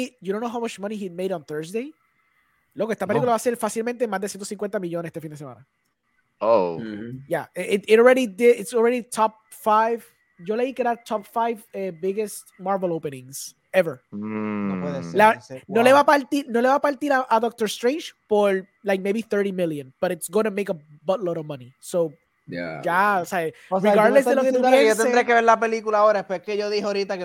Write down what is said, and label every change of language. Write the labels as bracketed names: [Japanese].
[English] You don't know how much money he made on Thursday? [Spanish] Loco, esta película va a ser fácilmente más de 150 millones este fin de semana. Oh. [English] Yeah, it already did, it's already top 5, [Spanish] yo leí que era [English] top 5 biggest Marvel openings ever. [Spanish] No le va a partir a [English] Doctor Strange por like maybe 30 million, but it's gonna make a buttload of money. So yeah. [Spanish] Ya, o sea [English] regardless [Spanish] de lo que tú pienses, yo tendré que ver la película ahora, es que yo dije ahorita que